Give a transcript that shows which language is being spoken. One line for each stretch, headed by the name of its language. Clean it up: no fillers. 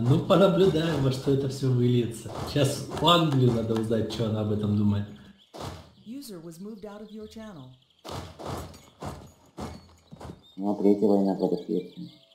Russian: Ну, понаблюдаем, во что это все выльется. Сейчас у Англии надо узнать, что она об этом думает.
English: User was moved out of your channel.
Russian: Ну, а третья война против Швеции.